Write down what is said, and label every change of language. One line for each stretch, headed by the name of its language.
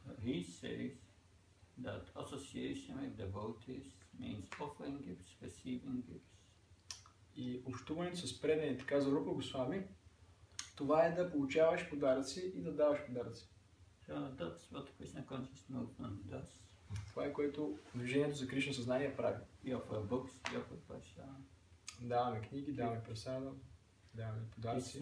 English: He says that association with devotees means offering gifts, receiving gifts.
Bulgarian: И общуването с предани, така за Рупа Госвами, това е да получаваш подаръци и да даваш подаръци.
English: That's what Krishna consciousness movement does.
Bulgarian: Това е което движението за Кришна съзнание прави.
English: We offer books, we offer prasada.
Bulgarian: Даваме книги, даваме прасада, даваме подаръци.